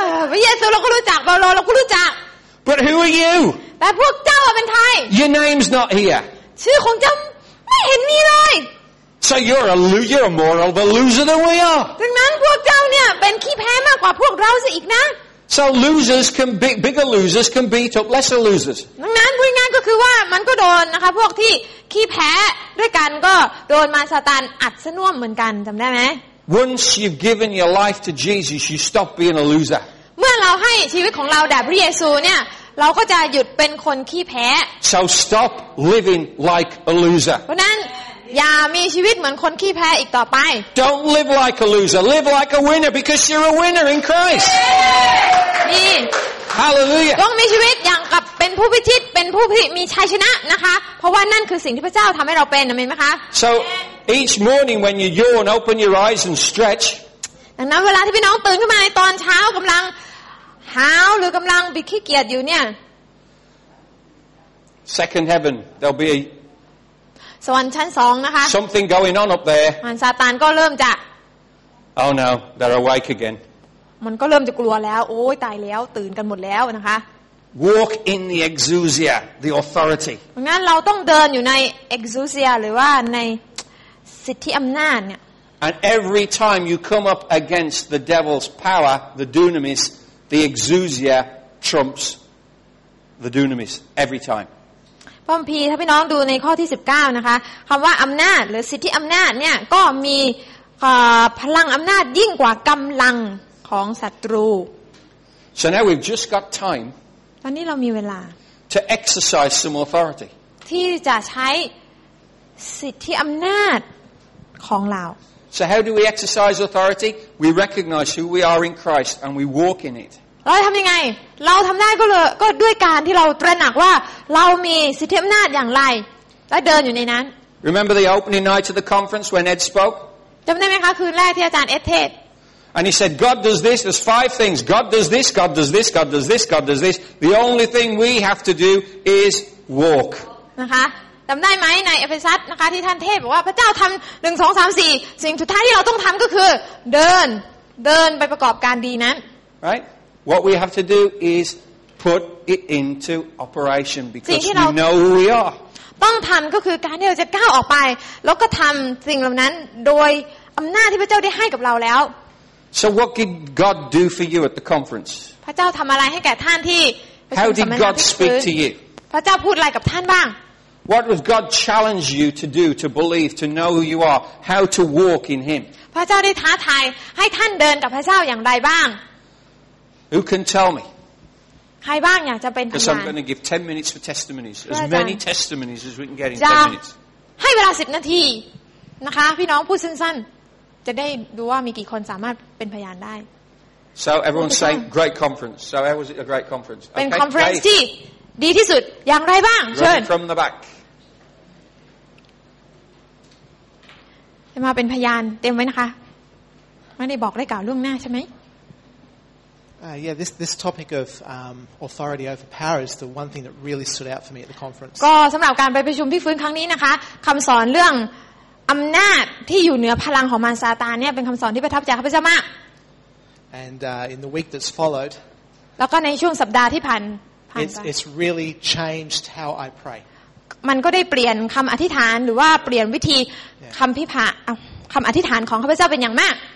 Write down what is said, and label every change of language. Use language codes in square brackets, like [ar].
[th] พระเยซูเราก็รู้จักเปาโลเราก็รู้จัก [en] But who are you [th] แต่พวกเจ้าเป็นใคร [en] Your name's not here [th] ชื่อของเจ้าไม่เห็นมีเลย [en] So you're a moral the loser than we are [th] ดังนั้นพวกเจ้าเนี่ยเป็นขี้แพ้มากกว่าพวกเราซะอีกนะ [en] So losers can be bigger losers can beat up lesser losers [th] ดังนั้นพูดง่ายก็คือว่ามันก็โดนนะคะพวกที่ขี้แพ้ด้วยกันก็โดนมารซาตานอัดซะน่วมเหมือนกันจำได้ไหม [en] Once you've given your life to Jesus you stop being a loser [th] เมื่อเราให้ชีวิตของเราแด่พระเยซูเนี่ยเราก็จะหยุดเป็นคนขี้แพ้ [en] So stop living like a loser [th] เพราะนั้นอย่ามีชีวิตเหมือนคนขี้แพ้อีกต่อไป [en] Don't live like a loser live like a winner because you're a winner in Christ [th] นี่ [en] Hallelujah [th] ต้องมีชีวิตอย่างกับเป็นผู้พิชิตเป็นผู้ที่มีชัยชนะนะคะเพราะว่านั่นคือสิ่งที่พระเจ้าทำให้เราเป็นอเมนไหมคะ [en] So each morning when you yawn open your eyes and stretch [th] ดังนั้นเวลาที่พี่น้องตื่นขึ้นมาในตอนเช้ากำลังหาวหรือกำลังบิดขี้เกียจอยู่เนี่ย [en] Second heaven there'll be [th] สวรรค์ชั้นสองนะคะ [en] Something going on up there [th] มันซาตานก็เริ่มจะ [en] Oh no they're awake again [th] มันก็เริ่มจะกลัวแล้วโอ้ยตายแล้วตื่นกันหมดแล้วนะคะ [en] Walk in the exousia the authority [th] งั้นเราต้องเดินอยู่ใน exousia หรือว่าในสิทธิอำนาจเนี่ย [en] And every time you come up against the devil's power the dunamisThe exousia trumps the dunamis every time. [th] พระคัมภีร์ถ้าพี่น้องดูในข้อที่19นะคะคำว่าอำนาจหรือสิทธิอำนาจเนี่ยก็มีพลังอำนาจยิ่งกว่ากำลังของศัตรู [en] So now we've just got time [th] ตอนนี้เรามีเวลา [en] to exercise some authority [th] ที่จะใช้สิทธิอำนาจของเรา [en] So how do we exercise authority we recognize who we are in Christ and we walk in it [th] เราทำยังไงเราทำได้ก็เลยก็ด้วยการที่เราตระหนักว่าเรามีสิทธิอำนาจอย่างไรและเดินอยู่ในนั้น [en] Remember the opening night of the conference when Ed spoke [th] จำได้ไหมคะคืนแรกที่อาจารย์เอ็ดเทศ [en] And he said God does this there's five things God does this God does this God does this God does this the only thing we have to do is walk [th] นะคะจำได้ไหมในเอเฟซัสนะคะที่ท่านเทศบอกว่าพระเจ้าทำ1 2 3 4สิ่งสุดท้ายที่เราต้องทำก็คือเดินไปประกอบการดีนั้น [en] RightWhat we have to do is put it into operation because we know who we are. [th] ต้องทำก็คือการที่เราจะก้าวออกไปแล้วก็ทำสิ่งเหล่านั้นโดยอำนาจที่พระเจ้าได้ให้กับเราแล้ว [en] So what did God do for you at the conference? [th] พระเจ้าทำอะไรให้แก่ท่านที่ [en] How did God speak to you? [th] พระเจ้าพูดอะไรกับท่านบ้าง [en] What did God challenge you to do to believe to know who you are how to walk in Him? [th] พระเจ้าได้ท้าทายให้ท่านเดินกับพระเจ้าอย่างไรบ้าง [en] Who can tell me? [th] ใครบ้างอยากจะเป็น ทางการ [en] Because I'm going to give 10 minutes for testimonies. As many testimonies as we can get in 10 minutes. [th] ให้เวลา10นาทีนะคะพี่น้องพูดสั้นๆจะได้ดูว่ามีกี่คนสามารถเป็นพยานได้ [en] So everyone say great conference. So how was it a great conference? [th] เป็น conference ที่ดีที่สุดอย่างไรบ้างเชิญ [en] From the back. [th] จะมาเป็นพยานเต็มไว้นะคะไม่ได้บอกได้กล่าวล่วงหน้าใช่ไหม [en] Yeah, this topic of authority over power is the one thing that really stood out for me at the conference. [th] ก็สำหรับการไปประชุมพี่ฟื้นครั้งนี้นะคะคำสอนเรื่องอำนาจที่อยู่เหนือพลังของมารซาตานเนี่ยเป็นคำสอนที่ประทับใจข้าพเจ้ามาก [en] And in the week that's followed, [th] แล้วก็ในช่วงสัปดาห์ที่ผ่านไป [en] it's really changed how I pray. [th] มันก็ได้เปลี่ยนคำอธิษฐานหรือว่าเปลี่ยนวิธีคำอธิษฐานของข้าพเจ้าเป็นอย่างมาก